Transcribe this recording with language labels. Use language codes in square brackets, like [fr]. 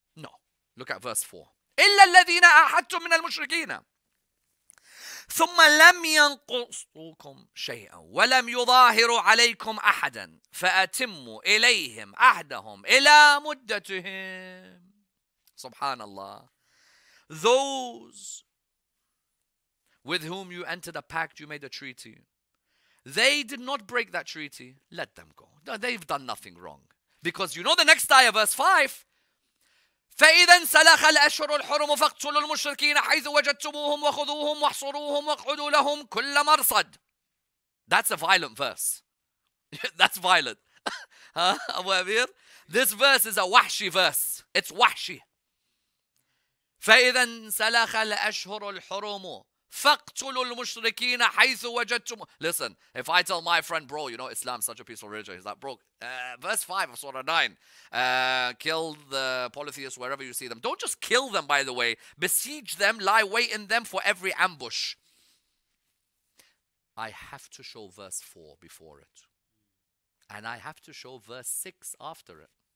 [ar] No. Look at verse 4. إِلَّا الَّذِينَ أَحَدْتُمْ مِنَ الْمُشْرِكِينَ ثُمَّ لَمْ يَنْقُصُوكُمْ شَيْئًا وَلَمْ يُظَاهِرُوا عَلَيْكُمْ أَحَدًا فَأَتِمُّوا إِلَيْهِمْ أَحْدَهُمْ إِلَى مُدَّتِهِمْ. سبحان الله. [en] Those with whom you entered a pact, you made a treaty, they did not break that treaty, let them go. No, they've done nothing wrong. [ar] Because you know the next ayah, verse 5, فإذا سلخ الأشهر الحرم فاقتلوا المشركين حيث وجدتموهم وخذوهم واحصروهم واقعدوا لهم كل مرصد. [en] That's a violent verse. That's violent. Abu Amir, this verse is a wahshi verse. It's wahshi. [ar] فإذا سلخ الأشهر الحرم فاقتلوا المشركين حيث وجدتم. [en] Listen, if I tell my friend, bro, you know Islam is such a peaceful religion, he's like, bro, verse 5 of Surah 9, kill the polytheists wherever you see them. Don't just kill them, by the way. Besiege them, lie wait in them for every ambush. I have to show verse 4 before it. And I have to show verse 6 after it.